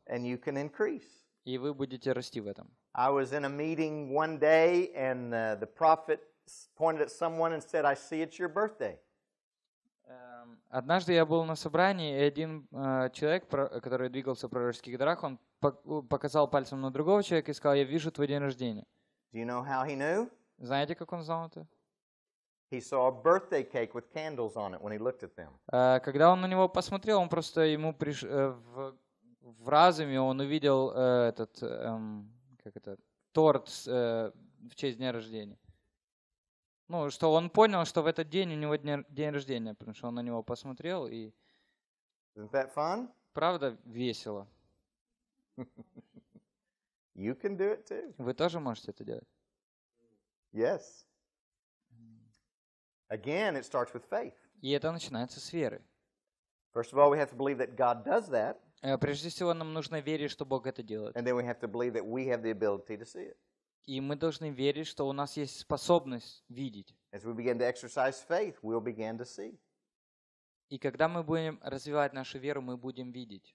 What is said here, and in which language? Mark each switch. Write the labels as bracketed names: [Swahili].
[English] And you can increase. [Russian] И вы будете расти в этом. [English] I was in a meeting one day and the prophet pointed at someone and said, "I see it's your birthday." [Russian] Однажды я был на собрании, и один человек, который двигался в пророческих дарах, он показал пальцем на другого человека и сказал: "Я вижу твой день рождения". [English] Do you know how he knew? [Russian] Знаете, как он знал это? [English] He saw a birthday cake with candles on it when he looked at them. [Russian] Когда он на него посмотрел, он просто ему в разуме он увидел этот как это торт в честь дня рождения. Ну, что он понял, что в этот день у него день рождения, потому что он на него посмотрел и... [English] Isn't that fun? [Russian] Правда, весело. [English] You can do it too. [Russian] Вы тоже можете это делать. [English] Yes. Again, it starts with faith. [Russian] И это начинается с веры. [English] First of all, we have to believe that God does that. [Russian] Прежде всего, нам нужно верить, что Бог это делает. [English] And then we have to believe that we have the ability to see it. [Russian] И мы должны верить, что у нас есть способность видеть. [English] As we begin to exercise faith, we'll begin to see. [Russian] И когда мы будем развивать нашу веру, мы будем видеть.